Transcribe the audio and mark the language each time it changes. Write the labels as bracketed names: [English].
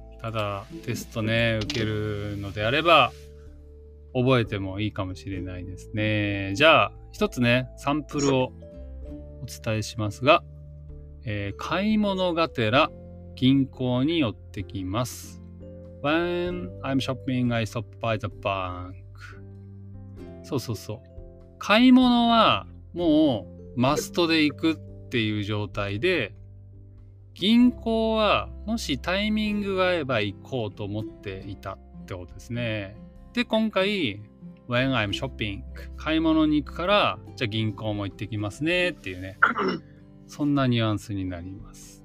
[Japanese] ただテストね、受けるのであれば覚えてもいいかもしれないですね。じゃあ一つね、サンプルをお伝えしますが、買い物がてら銀行に寄ってきます。 [English] When I'm shopping I stop by the bank。 [Japanese] そうそうそう、買い物はもうマストで行くっていう状態で、銀行はもしタイミングが合えば行こうと思っていたってことですね。で、今回 [English] When I'm shopping [Japanese] 買い物に行くから、じゃあ銀行も行ってきますねっていうね、そんなニュアンスになります。